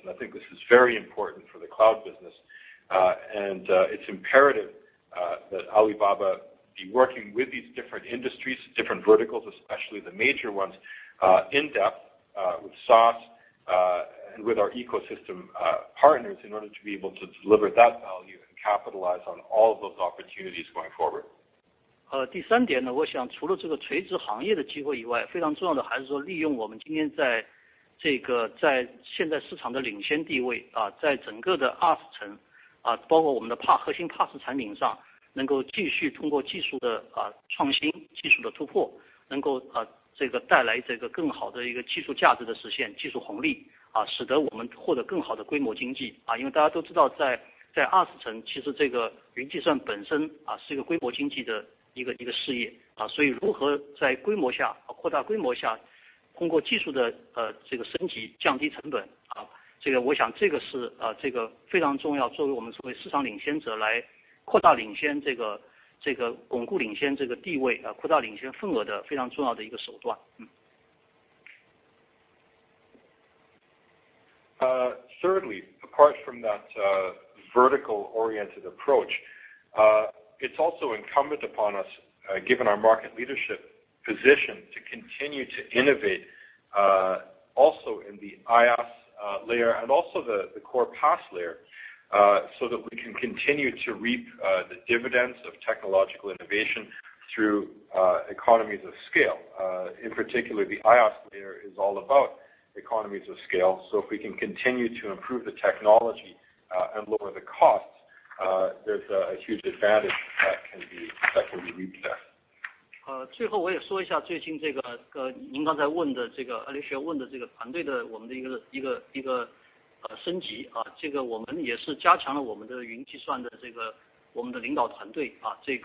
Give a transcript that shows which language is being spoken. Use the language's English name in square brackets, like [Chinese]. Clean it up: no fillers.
[English] And I think this is very important for the cloud business. It's imperative that Alibaba be working with these different industries, different verticals, especially the major ones, in depth with SaaS and with our ecosystem partners in order to be able to deliver that value and capitalize on all of those opportunities going forward. [Chinese] 第三点呢，我想除了这个垂直行业的机会以外，非常重要的还是说利用我们今天在现在市场的领先地位，在整个的 US 层。包括我们的核心PaaS产品上，能够继续通过技术的创新、技术的突破，能够这个带来这个更好的一个技术价值的实现，技术红利啊，使得我们获得更好的规模经济啊。因为大家都知道在二十层，其实这个云计算本身啊是一个规模经济的一个事业啊，所以如何在规模下、啊、扩大规模下，通过技术的这个升级降低成本啊，这个我想这个是这个非常重要，作为我们作为市场领先者来扩大领先这个巩固领先这个地位啊，扩大领先份额的非常重要的一个手段。嗯。 [English] Thirdly, apart from that vertical-oriented approach, it's also incumbent upon us, given our market leadership position, to continue to innovate also in the IaaS layer and also the core PaaS layer, so that we can continue to reap the dividends of technological innovation through economies of scale. In particular, the IaaS layer is all about economies of scale, so if we can continue to improve the technology and lower the costs, there's a huge advantage that can be reaped there. [Chinese] 最后我也说一下最近这个您刚才问的这个Alicia问的这个团队的我们的一个升级啊，这个我们也是加强了我们的云计算的这个我们的领导团队啊，